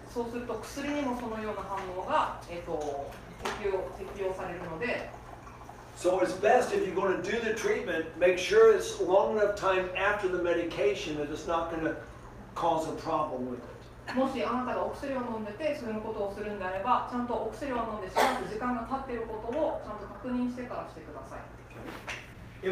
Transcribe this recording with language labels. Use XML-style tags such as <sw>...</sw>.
<ja>そうすると薬にもそのような反応が適用されるので。</ja> <en>So it's best if you're going to do the treatment, make sure it's long enough time after the medication that it's not going to cause a problem with it.</en> <ja>もしあなたがお薬を飲んでてそういうことをするんであれば、ちゃんとお薬を飲んでしばらく時間が経っていることをちゃんと確認してからしてください。</ja>